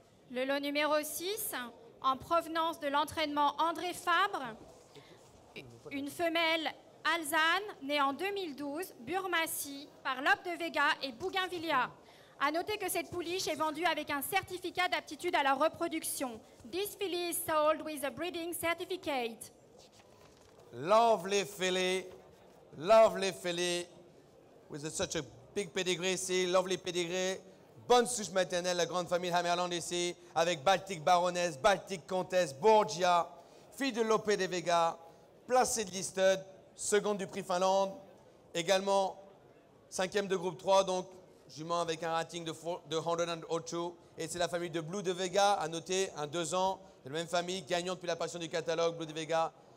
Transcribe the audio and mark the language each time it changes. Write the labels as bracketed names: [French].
[French] Le lot numéro 6, en provenance de l'entraînement André Fabre, une femelle alsane née en 2012, Burmassie, par Lope de Vega et Bougainvillea. A noter que cette pouliche est vendue avec un certificat d'aptitude à la reproduction. [English] This filly is sold with a breeding certificate. Lovely filly. Lovely filly, with such a big pedigree [French] ici, [English] lovely pedigree, [French] bonne souche maternelle, la grande famille Hammerland ici, avec Baltic Baroness, Baltic Comtesse, Borgia, fille de Lope de Vega, placée de Listed, seconde du prix Finlande, également cinquième de groupe 3, donc jument avec un rating de 102, et c'est la famille de Blue de Vega, à noter, un 2 ans, de la même famille, gagnant depuis la passion du catalogue, Blue de Vega.